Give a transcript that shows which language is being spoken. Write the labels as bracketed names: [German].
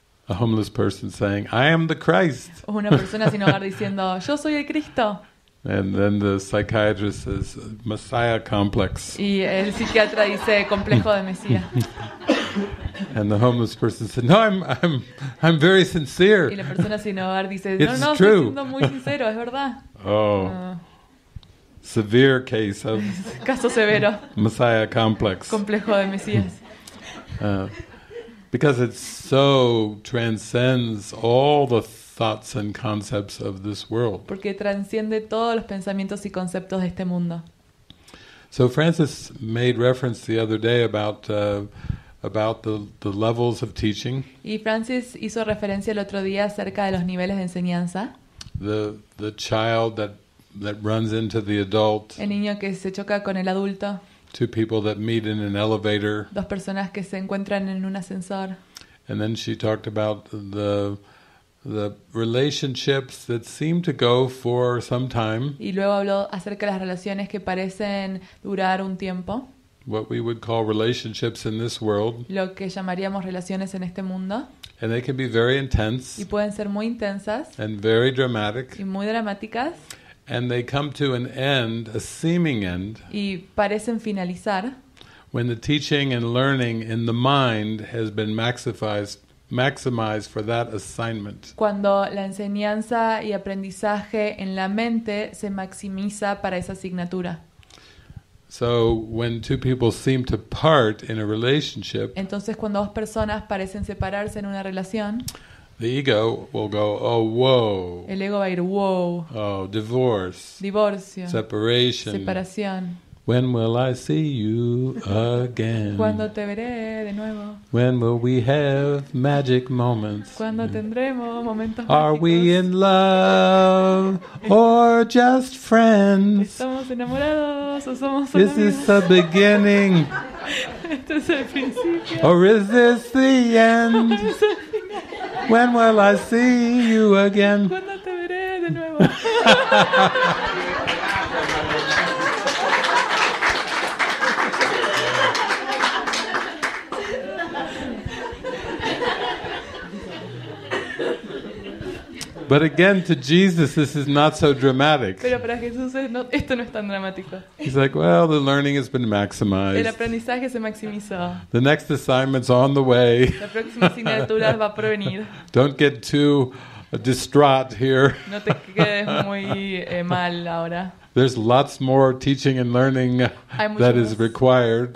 [English] A homeless person saying, "I am the Christ." [Spanish] Una persona sin hogar diciendo, "Yo soy el Cristo." [English] And then the psychiatrist says, "Messiah complex." [Spanish] Y el psiquiatra dice, "Complejo de Mesías." [English] And the homeless person says, "No, I'm very sincere." [Spanish] Y la persona sin hogar dice, "No, no, estoy siendo muy sincero, es verdad." [English] Oh. Severe case of [Spanish] caso severo. [English] Messiah complex. [Spanish] Complejo de Mesías. [English] Because it so transcends all the thoughts and concepts of this world. [Spanish] Porque transciende todos los pensamientos y conceptos de este mundo. [English] So Francis made reference the other day about the levels of teaching. [Spanish] Y Francis hizo referencia el otro día acerca de los niveles de enseñanza. [English] The child that runs into the adult. [Spanish] El niño que se choca con el adulto. [English] Two people that meet in an elevator. [Spanish] Dos personas que se encuentran en un ascensor. [English] And then she talked about the relationships that seem to go for some time. [Spanish] Y luego habló acerca de las relaciones que parecen durar un tiempo. [English] What we would call relationships in this world. [Spanish] Lo que llamaríamos relaciones en este mundo. [English] And they can be very intense. [Spanish] Y pueden ser muy intensas. [English] And very dramatic. [Spanish] Y muy dramáticas. [English] And they come to an end, a seeming end. [Spanish] Y parecen finalizar. [English] When the teaching and learning in the mind has been maximized for that assignment. [Spanish] Cuando la enseñanza y aprendizaje en la mente se maximiza para esa asignatura. [English] So when two people seem to part in a relationship. [Spanish] Entonces cuando dos personas parecen separarse en una relación. [English] The ego will go, oh, whoa. [Spanish] El ego va a ir, whoa. [English] Oh, divorce. [Spanish] Divorcio. [English] Separation. [Spanish] Separación. [English] When will I see you again? [Spanish] ¿Cuándo te veré de nuevo? [English] When will we have magic moments? [Spanish] ¿Cuándo tendremos momentos [English] mágicos? Are we in love or just friends? [Spanish] ¿Estamos enamorados o somos solo [English] amigos? This is the beginning. [Spanish] Esto es el principio. [English] Or is this the end? When will I see you again? [Spanish] ¿Cuándo te veré de nuevo? [English] But again, to Jesus, this is not so dramatic. [Spanish] Pero para Jesús esto no es tan dramático. [English] He's like, well, the learning has been maximized. [Spanish] El aprendizaje se maximizó. [English] The next assignment's on the way. [Spanish] La próxima asignatura va por venir. [English] Don't get too distraught here. [Spanish] No te quedes muy mal ahora. [English] There's lots more teaching and learning that is required.